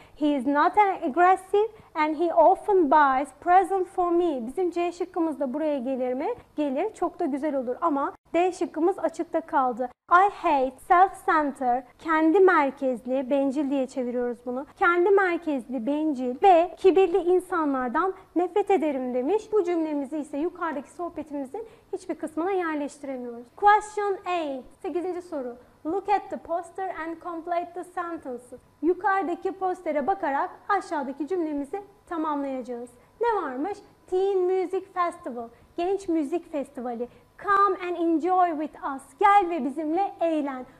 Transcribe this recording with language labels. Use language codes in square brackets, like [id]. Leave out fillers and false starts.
[en] He is not aggressive and he often buys presents for me. [tr] Bizim C şıkkımız da buraya gelir mi? Gelir. Çok da güzel olur ama D şıkkımız açıkta kaldı. [en] I hate self-centered, [tr] kendi merkezli, bencil diye çeviriyoruz bunu. Kendi merkezli, bencil ve kibirli insanlardan nefret ederim demiş. Bu cümlemizi ise yukarıdaki sohbetimizin hiçbir kısmına yerleştiremiyoruz. [en] Question A, [tr] 8. soru. [en] Look at the poster and complete the sentences. [tr] Yukarıdaki postere bakarak aşağıdaki cümlemizi tamamlayacağız. Ne varmış? Teen Music Festival, genç müzik festivali. [en] Come and enjoy with us. [tr] Gel ve bizimle eğlen.